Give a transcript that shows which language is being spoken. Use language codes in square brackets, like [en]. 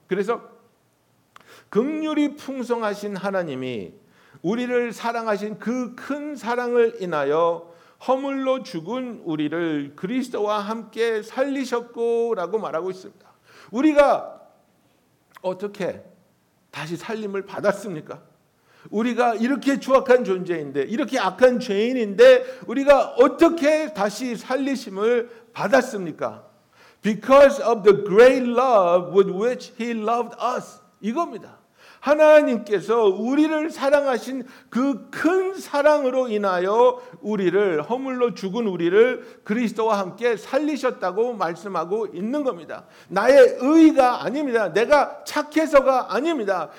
[ko] 그래서 긍휼이 풍성하신 하나님이 우리를 사랑하신 그 큰 사랑을 인하여 허물로 죽은 우리를 그리스도와 함께 살리셨고 라고 말하고 있습니다. 우리가 어떻게 다시 살림을 받았습니까? 우리가 이렇게 추악한 존재인데 이렇게 악한 죄인인데 우리가 어떻게 다시 살리심을 받았습니까? [en] Because of the great love with which he loved us. [ko] 이겁니다. 하나님께서 우리를 사랑하신 그 큰 사랑으로 인하여 우리를 허물로 죽은 우리를 그리스도와 함께 살리셨다고 말씀하고 있는 겁니다. 나의 의가 아닙니다. 내가 착해서가 아닙니다.